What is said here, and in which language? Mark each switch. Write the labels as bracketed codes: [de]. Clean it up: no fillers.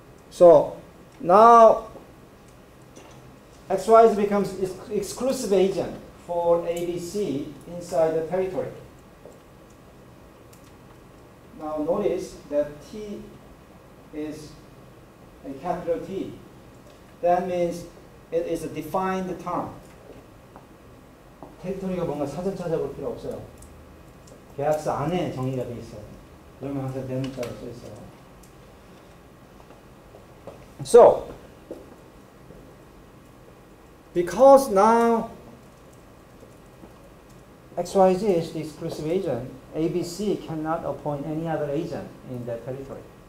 [en] So now XYZ becomes exclusive agent for ABC inside the territory. Now notice that T is a capital T. That means it is a defined term. [ko] 테리토리가 뭔가 사전 찾아볼 필요 없어요. 계약서 안에 정의가 돼 있어요. 그러면 항상 대문자로 써 있어요. [en] So, because now XYZ is the exclusive agent, ABC cannot appoint any other agent in that territory.